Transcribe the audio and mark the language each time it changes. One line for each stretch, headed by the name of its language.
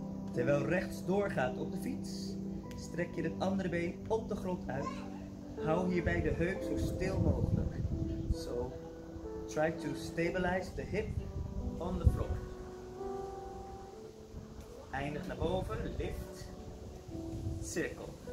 Dutch: Terwijl rechts doorgaat op de fiets, strek je het andere been op de grond uit. Hou hierbij de heup zo stil mogelijk.
English: So, try to stabilize the hip on the floor.
Dutch: Eindig naar boven, lift, cirkel.